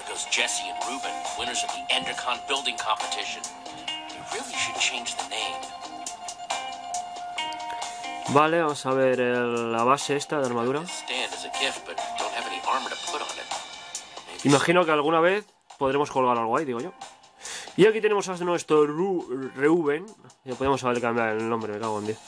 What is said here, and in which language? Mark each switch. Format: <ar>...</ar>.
<en>Jesse and Ruben, winners of the Endercon building competition. You really should change the name.</en> <es>Vale, vamos a ver la base esta de armadura.</es> <en>Stand as a gift, but don't have any armor to put on it.</en> <es>Imagino que alguna vez podremos colgar algo ahí, digo yo. Y aquí tenemos a nuestro Ruben. Ya podemos saber cambiar el nombre, me cago en 10.</es>